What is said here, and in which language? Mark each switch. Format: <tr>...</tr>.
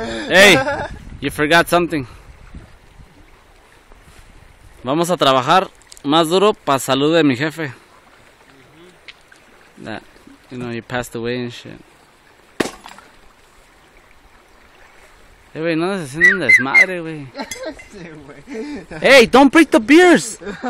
<en>Hey, you forgot something.</en> <es>Vamos a trabajar más duro para salud de mi jefe.</es> <en>That, you know, he passed away and shit.</en> <es>Hey, wey, no se siente un desmadre, wey. Sí, wey.</es> <en>Hey, don't break the beers.</en>